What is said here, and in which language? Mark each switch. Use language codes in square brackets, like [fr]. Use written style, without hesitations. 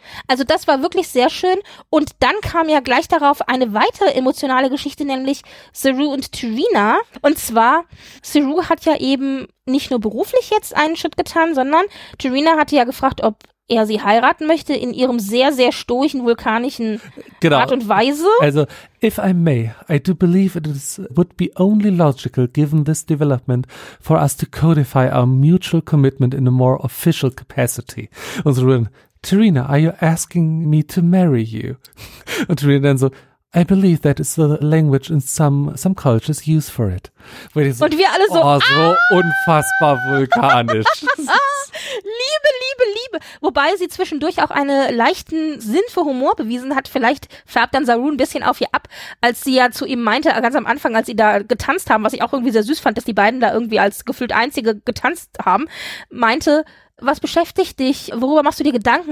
[de] Also das war wirklich sehr schön. Und dann kam ja gleich darauf eine weitere emotionale Geschichte, nämlich Saru und Trina. Und zwar, Saru hat ja eben nicht nur beruflich jetzt einen Schritt getan, sondern Trina hatte ja gefragt, ob er sie heiraten möchte in ihrem sehr, sehr stoischen, vulkanischen genau. Art und Weise. [en] Also, if I may, I do believe it is, would be only logical, given this development, for us to codify our mutual commitment in a more official capacity. [de] Und so, [en] Trina, are you asking me to marry you? [de] Und Trina dann so, [en] I believe that is the language in some cultures use for it. [de] So, und wir alle so, oh, so unfassbar vulkanisch. Liebe, Liebe, Liebe. Wobei sie zwischendurch auch einen leichten Sinn für Humor bewiesen hat. Vielleicht färbt dann Saru ein bisschen auf ihr ab, als sie ja zu ihm meinte, ganz am Anfang, als sie da getanzt haben, was ich auch irgendwie sehr süß fand, dass die beiden da irgendwie als gefühlt Einzige getanzt haben, meinte, was beschäftigt dich? Worüber machst du dir Gedanken?